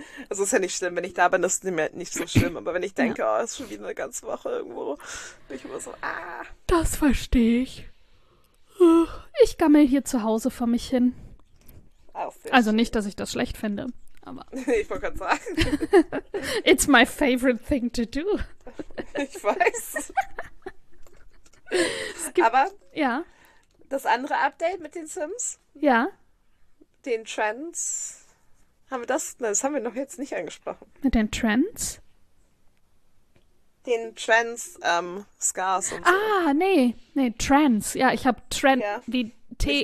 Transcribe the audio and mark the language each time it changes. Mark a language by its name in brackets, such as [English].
[German] Also ist ja nicht schlimm, wenn ich da bin, das ist mir nicht so schlimm. Aber wenn ich denke, oh, ist schon wieder eine ganze Woche irgendwo, bin ich immer so, Das verstehe ich. Ich gammel hier zu Hause vor mich hin. Also nicht, dass ich das schlecht finde, aber... Ich wollte gerade sagen. [English] It's my favorite thing to do. [German] Ich weiß. Es gibt, aber ja. Das andere Update mit den Sims? Ja. Den Trends... Haben wir das? Das haben wir noch jetzt nicht angesprochen. Mit den Trends? Den Trends, Scars und so. Ah, nee, Trends. Ja, ich habe Trend, wie T-E.